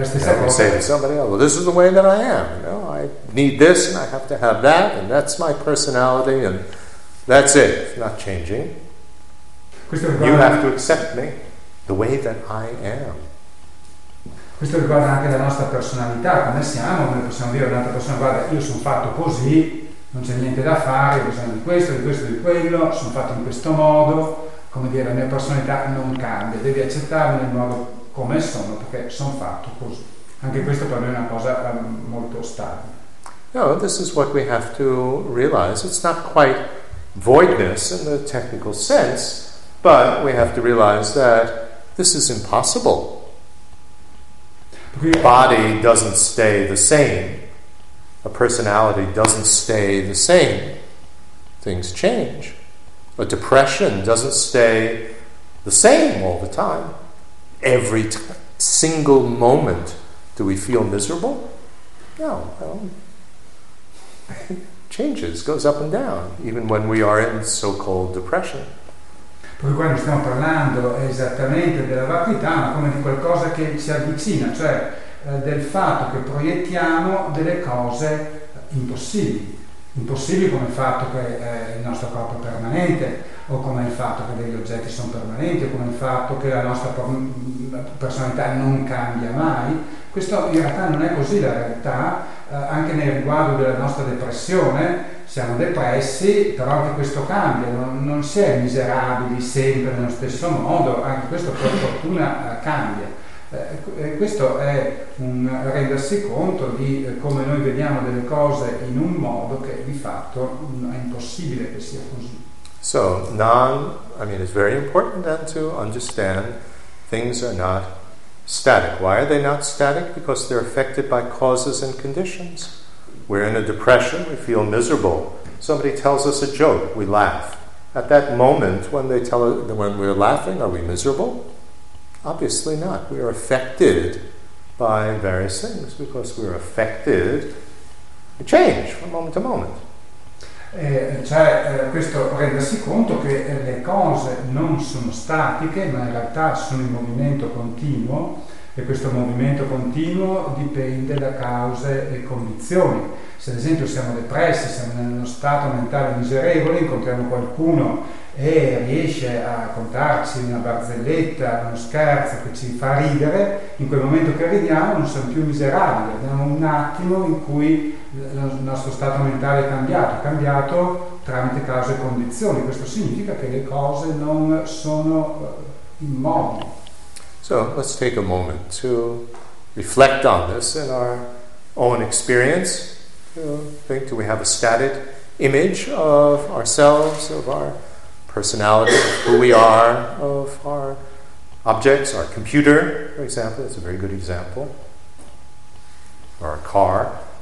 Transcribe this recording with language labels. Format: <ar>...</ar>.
<en>know, say to somebody else, well, this is the way that I am. You know, I need this and I have to have that, and that's my personality, and that's it. It's not changing. You have to accept me the way that I am.</en> <it>Questo riguarda anche la nostra personalità, come siamo, come possiamo dire ad un'altra persona, guarda, io sono fatto così, non c'è niente da fare, ho bisogno di questo, di quello, sono fatto in questo modo, come dire, la mia personalità non cambia, devi accettarmi nel modo come sono, perché sono fatto così. Anche questo per me è una cosa molto stabile.</it> <en>No, this is what we have to realize. It's not quite voidness in the technical sense, but we have to realize that this is impossible. Body doesn't stay the same. A personality doesn't stay the same. Things change. A depression doesn't stay the same all the time. Every single moment do we feel miserable? No. Well, changes, goes up and down, even when we are in so-called depression.</en> <it>Perché qua non stiamo parlando esattamente della vacuità, ma come di qualcosa che ci avvicina, cioè del fatto che proiettiamo delle cose impossibili. Impossibili come il fatto che il nostro corpo è permanente, o come il fatto che degli oggetti sono permanenti, o come il fatto che la nostra personalità non cambia mai. Questo in realtà non è così la realtà, anche nel riguardo della nostra depressione. Siamo depressi, però anche questo cambia, non si è miserabili sempre nello stesso modo, anche questo per fortuna cambia. Questo è un rendersi conto di come noi vediamo delle cose in un modo che di fatto è impossibile che sia così.</it> <en>So, it's very important then to understand things are not static. Why are they not static? Because they're affected by causes and conditions. We're in a depression, we feel miserable. Somebody tells us a joke, we laugh. At that moment, when we're laughing, are we miserable? Obviously not. We are affected by various things because we're affected. We change from moment to moment.</en> <it>cioè questo rendersi conto che le cose non sono statiche, ma in realtà sono in movimento continuo, e questo movimento continuo dipende da cause e condizioni. Se ad esempio siamo depressi, siamo in uno stato mentale miserevole, incontriamo qualcuno e riesce a contarci una barzelletta, uno scherzo che ci fa ridere, in quel momento che ridiamo non siamo più miserabili, abbiamo un attimo in cui il nostro stato mentale è cambiato tramite cause e condizioni. Questo significa che le cose non sono immobili.</it> <en>So let's take a moment to reflect on this in our own experience. Think, do we have a static image of ourselves, of our personality, of who we are, of our objects, our computer, for example, that's a very good example, or our car?</en>